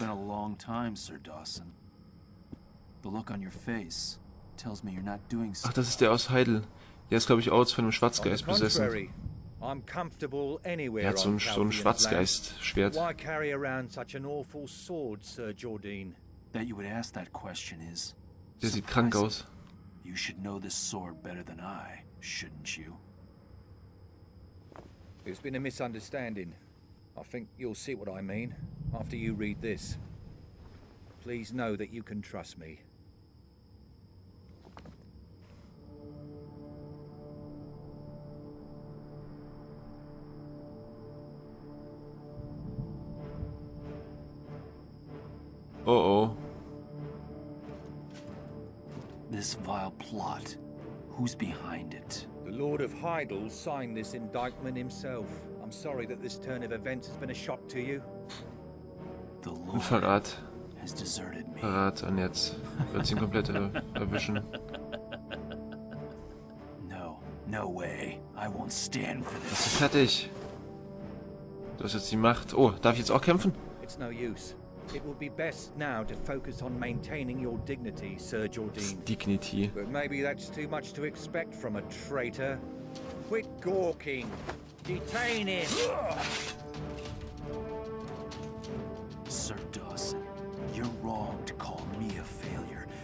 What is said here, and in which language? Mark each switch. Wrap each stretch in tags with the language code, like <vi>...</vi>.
<en>It's been a long time, Sir Dawson. The look on your face tells me you're not doing so.</en> <de>Ach, das ist der aus Heidel. Der ist, glaube ich, auch von einem Schwarzgeist besessen.</de> <en>I'm comfortable anywhere.</en> <de>Er hat so ein Schwarzgeist-Schwert.</de> <en>Why carry around such an awful sword, Sir Jordine? That you would ask that question is.</en> <de>Der sieht krank aus.</de> <en>You should know this sword better than I, shouldn't you? It's been a misunderstanding. I think you'll see what I mean after you read this. Please know that you can trust me. Oh oh. This vile plot. Who's behind it? The Lord of Heidel signed this indictment himself. I'm sorry that this turn of events has been a shock to you. The Lord has deserted me.</en> <de>Verrat, und jetzt wird's ihn komplett erwischen.</de> <en>No, no way. I won't stand for this.</en> <de>Das ist fertig. Du hast jetzt die Macht. Oh, darf ich jetzt auch kämpfen?</de> <en>It's no use. It would be best now to focus on maintaining your dignity, Sir Jordine. Dignity. But maybe that's too much to expect from a traitor. Quit gawking. Detain him. Sir Dawson, you're wrong to call me a failure.</en>